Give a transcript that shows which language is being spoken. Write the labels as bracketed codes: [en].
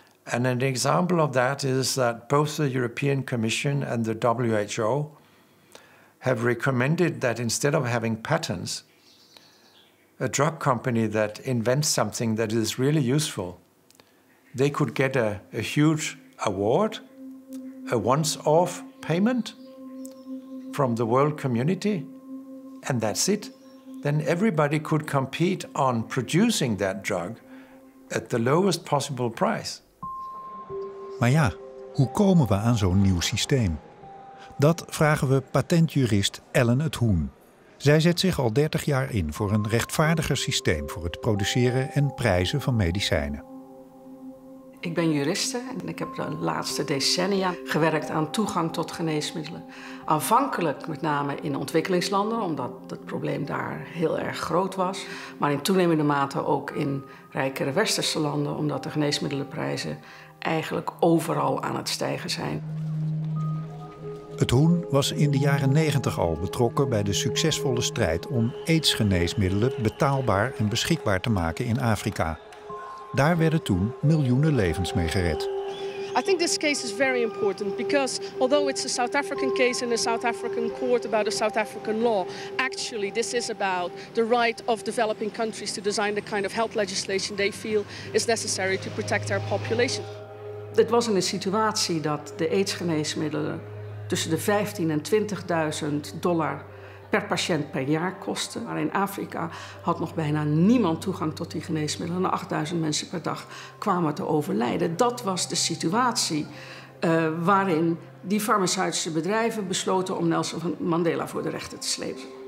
[en] And an example of that is that both the European Commission and the WHO have recommended that instead of having patents, a drug company that invents something that is really useful, they could get a huge award, a once-off payment from the world community, and that's it. Then everybody could compete on producing that drug at the lowest possible price. [nl] Maar ja, hoe komen we aan zo'n nieuw systeem? Dat vragen we patentjurist Ellen het Hoen. Zij zet zich al 30 jaar in voor een rechtvaardiger systeem voor het produceren en prijzen van medicijnen. Ik ben juriste en ik heb de laatste decennia gewerkt aan toegang tot geneesmiddelen. Aanvankelijk met name in ontwikkelingslanden, omdat het probleem daar heel erg groot was. Maar in toenemende mate ook in rijkere westerse landen, omdat de geneesmiddelenprijzen eigenlijk overal aan het stijgen zijn. Het Hoen was in de jaren 90 al betrokken bij de succesvolle strijd om aidsgeneesmiddelen betaalbaar en beschikbaar te maken in Afrika. Daar werden toen miljoenen levens mee gered. [en] I think this case is very important because although it's a South African case in a South African court about a South African law, actually this is about the right of developing countries to design the kind of health legislation they feel is necessary to protect their population. [nl] Het was in een situatie dat de aidsgeneesmiddelen tussen de 15.000 en $20.000 per patiënt per jaar kosten. Maar in Afrika had nog bijna niemand toegang tot die geneesmiddelen. 8.000 mensen per dag kwamen te overlijden. Dat was de situatie waarin die farmaceutische bedrijven besloten om Nelson Mandela voor de rechter te slepen.